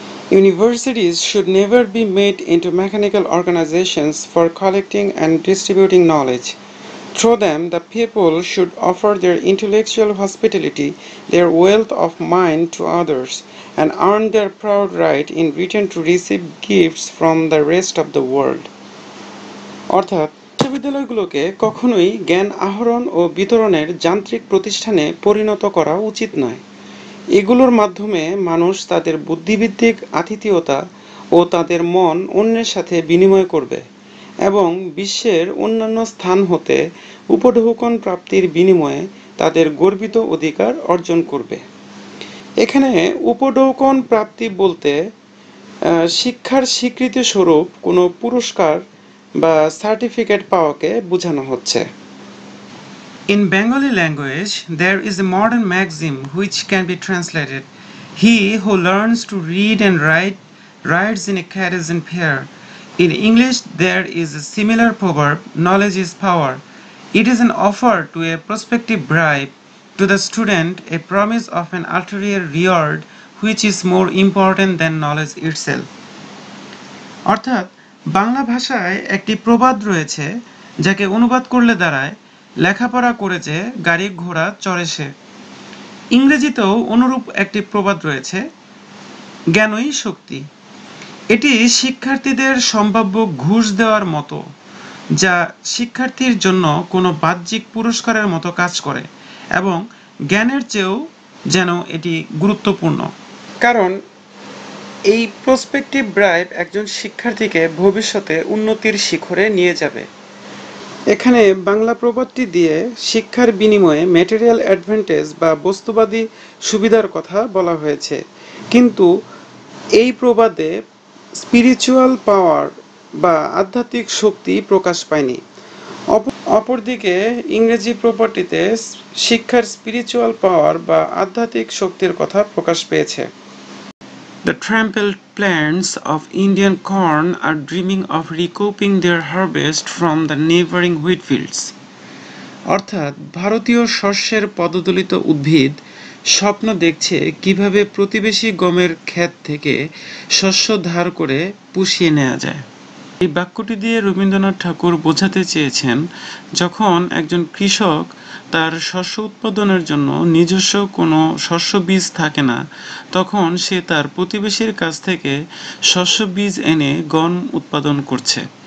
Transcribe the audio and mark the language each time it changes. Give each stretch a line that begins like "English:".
English: Universities should never be made into mechanical organizations for collecting and distributing knowledge. Through them, the people should offer their intellectual hospitality, their wealth of mind to others, and earn their proud right in return to receive gifts from the rest of the world.
Bangla: অর্থাৎ বিশ্ববিদ্যালয়গুলোকে কখনোই জ্ঞান আহরণ ও বিতরণের যান্ত্রিক প্রতিষ্ঠানে পরিণত করা উচিত নয়। এগুলোর মাধ্যমে মানুষ তাদের বুদ্ধিবৃত্তিক আতিথেয়তা ও তাদের মন অন্যের সাথে বিনিময় করবে এবং বিশ্বের অন্যান্য স্থান হতে উপঢৌকন প্রাপ্তির বিনিময়ে তাদের গর্বিত অধিকার অর্জন করবে। এখানে উপঢৌকন প্রাপ্তি বলতে শিক্ষার স্বীকৃতি স্বরূপ কোনো পুরস্কার বা সার্টিফিকেট পাওয়াকে বোঝানো হচ্ছে।
English: In Bengali language, there is a modern maxim which can be translated, "He who learns to read and write rides in a carriage and pair." In English, there is a similar proverb, "Knowledge is power." It is an offer to a prospective bride, to the student, a promise of an ulterior reward which is more important than knowledge itself.
Bangla: অর্থাৎ বাংলা ভাষায় একটি প্রবাদ রয়েছে যাকে অনুবাদ করলে দাঁড়ায় লেখাপড়া করেছে গাড়ি ঘোড়া চড়ে সে। ইংরেজিতেও অনুরূপ একটি প্রবাদ রয়েছে, জ্ঞানই শক্তি। এটি শিক্ষার্থীদের সম্ভাব্য ঘুষ দেওয়ার মতো, যা শিক্ষার্থীর জন্য কোনো বাহ্যিক পুরস্কারের মতো কাজ করে এবং জ্ঞানের চেয়েও যেন এটি গুরুত্বপূর্ণ। কারণ এই প্রসপেক্টিভ ব্রাইব একজন শিক্ষার্থীকে ভবিষ্যতে উন্নতির শিখরে নিয়ে যাবে। এখানে বাংলা প্রবাদটি দিয়ে শিক্ষার বিনিময়ে ম্যাটেরিয়াল অ্যাডভান্টেজ বা বস্তুবাদী সুবিধার কথা বলা হয়েছে, কিন্তু এই প্রবাদে স্পিরিচুয়াল পাওয়ার বা আধ্যাত্মিক শক্তি প্রকাশ পায়নি। অপরদিকে ইংরেজি প্রবাদটিতে শিক্ষার স্পিরিচুয়াল পাওয়ার বা আধ্যাত্মিক শক্তির কথা প্রকাশ পেয়েছে।
English: The trampled plants of Indian corn are dreaming of recouping their harvest from the neighboring wheat fields.
Bangla: অর্থাৎ ভারতীয় শস্যের পদদলিত উদ্ভিদ স্বপ্ন দেখছে কিভাবে প্রতিবেশী গমের ক্ষেত থেকে শস্য ধার করে পুষিয়ে নেওয়া যায়। এই বাক্যটি দিয়ে রবীন্দ্রনাথ ঠাকুর বোঝাতে চেয়েছেন, যখন একজন কৃষক তার শস্য উৎপাদনের জন্য নিজস্ব কোনো শস্য বীজ থাকে না, তখন সে তার প্রতিবেশীর কাছ থেকে শস্য বীজ এনে গম উৎপাদন করছে।